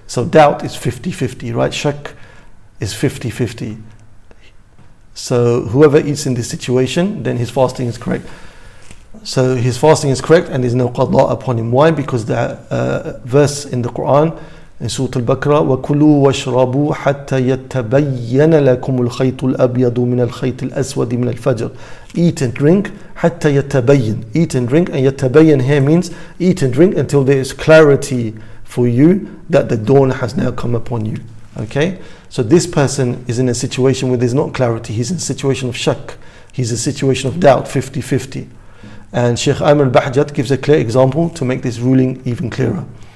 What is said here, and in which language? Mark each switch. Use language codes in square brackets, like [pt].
[en] So doubt is 50-50, right? Shak is 50-50. So whoever eats in this situation, then his fasting is correct. So his fasting is correct and there's no qadla upon him. Why? Because the verse in the Quran, in Surah Al-Baqarah, [ar] وَكُلُوا وَاشْرَبُوا حَتَّى يَتَّبَيَّنَ لَكُمُ الْخَيْطُ الْأَبْيَضُ مِنَ الْخَيْطِ الْأَسْوَدِ مِنَ الْفَجْرِ. [en] Eat and drink, [ar] حَتَّى يَتَّبَيَّن. [en] Eat and drink, and يَتَّبَيَّن here means eat and drink until there is clarity for you that the dawn has now come upon you. Okay? So this person is in a situation where there's not clarity. He's in a situation of shak. He's in a situation of doubt, 50-50. And Sheikh Amr al-Bahjat gives a clear example to make this ruling even clearer.